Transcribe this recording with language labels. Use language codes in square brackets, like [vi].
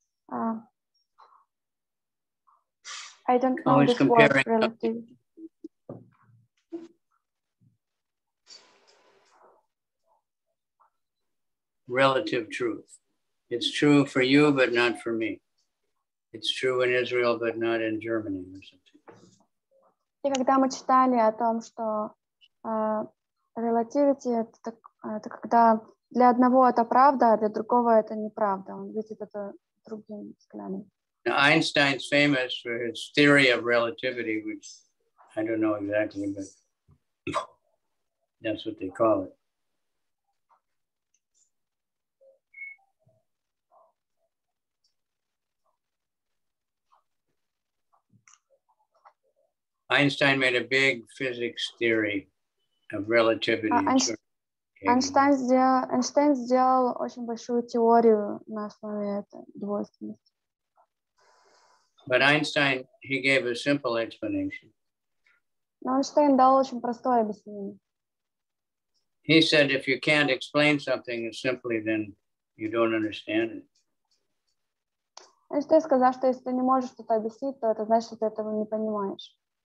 [en] I don't know always this comparing word, relativity. Relative truth. It's true for you, but not for me. It's true in Israel, but not in Germany or something. [ru] И когда мы читали о том, что relativity это когда для одного это правда, а для другого это неправда. Он видит это другим взглядом. [en] Now, Einstein's famous for his theory of relativity, which I don't know exactly, but that's what they call it. Einstein made a big physics theory of relativity. [ru] Эйнштейн сделал очень большую теорию на основе этой двойственности. [en] But Einstein, he gave a simple explanation. [ru] Но Эйнштейн дал очень простое объяснение. [en] He said, if you can't explain something simply, then you don't understand it. [ru] Эйнштейн сказал, что если ты не можешь что-то объяснить, то это значит, что ты этого не понимаешь.